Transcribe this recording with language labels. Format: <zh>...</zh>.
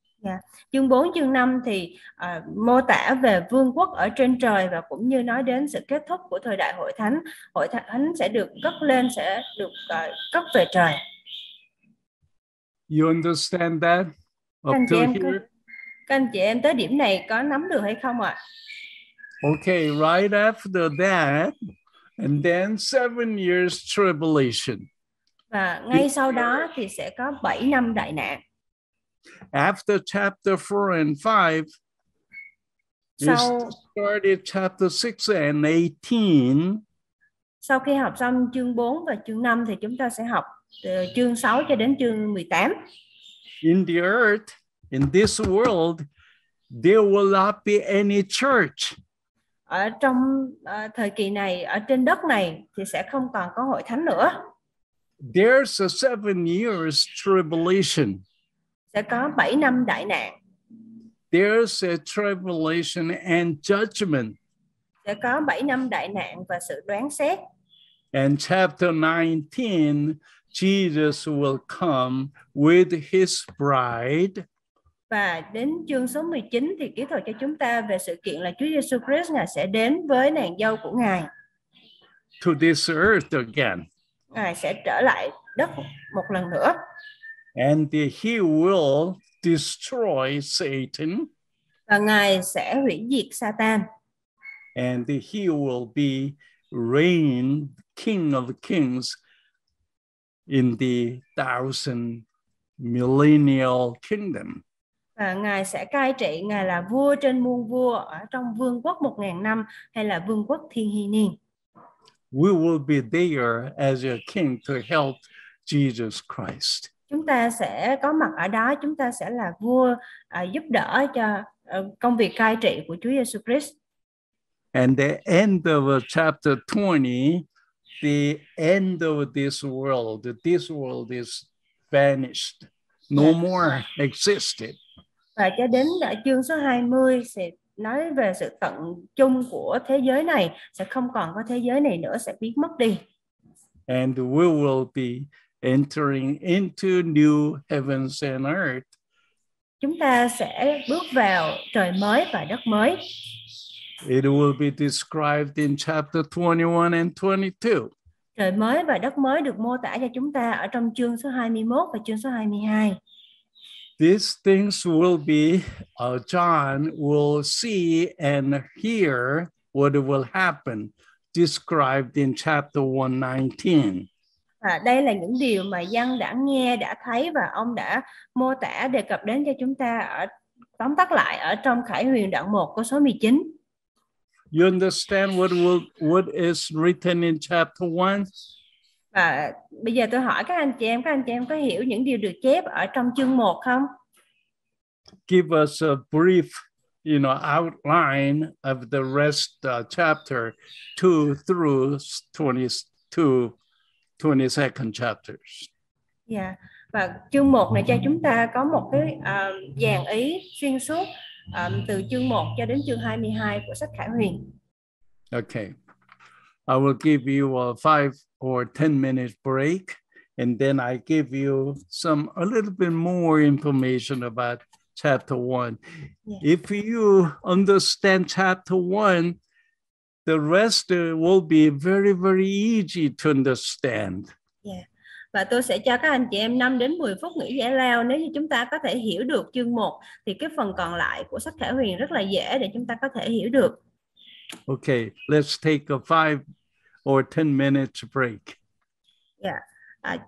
<en>Yeah.</en> <vi>Chương 4, chương 5 thì mô tả về vương quốc ở trên trời và cũng như nói đến sự kết thúc của thời đại hội thánh. Hội thánh sẽ được cất lên, sẽ được cất về trời.</vi> <en>You understand that?</en> <vi>Các anh chị em tới điểm này có nắm được hay không ạ?</vi> <en>Okay, right after that, and then 7 years tribulation.</en> <vi>Và ngay sau đó thì sẽ có 7 năm đại nạn.</vi> <en>After chapter 4 and 5, we started chapter 6 and 18.</en> <vi>Sau khi học xong chương 4 và chương 5 thì chúng ta sẽ học từ chương 6 cho đến chương 18.</vi> <en>In the earth, in this world, there will not be any church.</en> <vi>Ở trong thời kỳ này, ở trên đất này thì sẽ không còn có hội thánh nữa.</vi> <en>There's a 7 years tribulation.</en> <vi>Sẽ có 7 năm đại nạn.</vi> <en>There's a tribulation and judgment.</en> <vi>Sẽ có 7 năm đại nạn và sự đoán xét.</vi> <en>And chapter 19, Jesus will come with his bride.</en> <vi>Và đến chương số 19 thì kể thuật cho chúng ta về sự kiện là Chúa Jesus Christ Ngài sẽ đến với nàng dâu của Ngài.</vi> <en>To this earth again.</en> <vi>Ngài sẽ trở lại đất một lần nữa.</vi> <en>And he will destroy Satan.</en> <vi>Và Ngài sẽ hủy diệt Satan.</vi> <en>And he will be reign king of kings in the thousand millennial kingdom.</en> <vi>Và Ngài sẽ cai trị, Ngài là vua trên muôn vua ở trong vương quốc 1000 năm hay là vương quốc thiên hy niên.</vi> <en>We will be there as a king to help Jesus Christ.</en> <vi>Chúng ta sẽ có mặt ở đó, chúng ta sẽ là vua giúp đỡ cho công việc cai trị của Chúa Jesus Christ.</vi> <en>And the end of chapter 20, the end of this world is vanished, no more existed.</en> <vi>Và cho đến ở chương số 20 sẽ nói về sự tận chung của thế giới này, sẽ không còn có thế giới này nữa, sẽ biến mất đi.</vi> <en>And we will be entering into new heavens and earth.</en> <vi>Chúng ta sẽ bước vào trời mới và đất mới.</vi> <en>It will be described in chapter 21 and 22.</en> <vi>Trời mới và đất mới được mô tả cho chúng ta ở trong chương số 21 và chương số 22.</vi> <en>These things will be, John will see and hear what will happen, described in chapter 119.</en> <vi>Và đây là những điều mà dân đã nghe, đã thấy và ông đã mô tả đề cập đến cho chúng ta ở tóm tắt lại ở trong Khải Huyền đoạn 1 câu số 19.</vi> <en>You understand what is written in chapter 1?</en> <vi>Và bây giờ tôi hỏi các anh chị em có hiểu những điều được chép ở trong chương 1 không?</vi> <en>Give us a brief, outline of the rest chapter 2 through 22. 22nd chapters. Yeah.</en> <vi>Và chương 1 này cho chúng ta có một cái dàn ý xuyên suốt từ chương 1 cho đến chương 22 của sách Khải Huyền.</vi> <en>Okay. I will give you a 5 or 10 minute break and then I give you a little bit more information about chapter 1. Yeah. If you understand chapter 1, the rest will be very, very easy to understand. Yeah.</en> <vi>Và tôi sẽ cho các anh chị em 5 đến 10 phút nghỉ giải lao. Nếu như chúng ta có thể hiểu được chương 1, thì cái phần còn lại của sách Khải Huyền rất là dễ để chúng ta có thể hiểu được.</vi> <en>Okay, let's take a 5 or 10 minutes break. Yeah.</en>